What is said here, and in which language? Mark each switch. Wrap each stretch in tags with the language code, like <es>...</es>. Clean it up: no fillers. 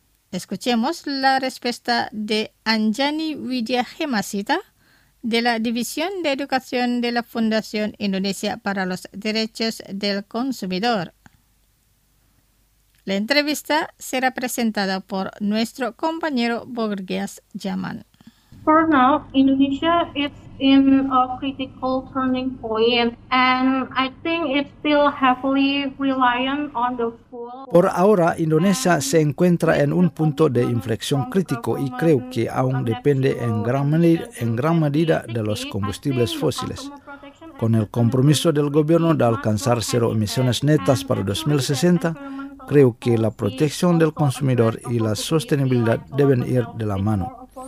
<es>Escuchemos la respuesta de Anjani Widyahemasita, de la División de Educación de la Fundación Indonesia para los Derechos del Consumidor. La entrevista será presentada por nuestro compañero Borges Yaman.</es> <en>For now, Indonesia is in a critical turning point, and I think it's still heavily reliant on the fuel.</en> <es>Por ahora, Indonesia se encuentra en un punto de inflexión crítico y creo que aún depende en gran medida de los combustibles fósiles. Con el compromiso del gobierno de alcanzar cero emisiones netas para 2060, creo que la protección del consumidor y la sostenibilidad deben ir de la mano.</es>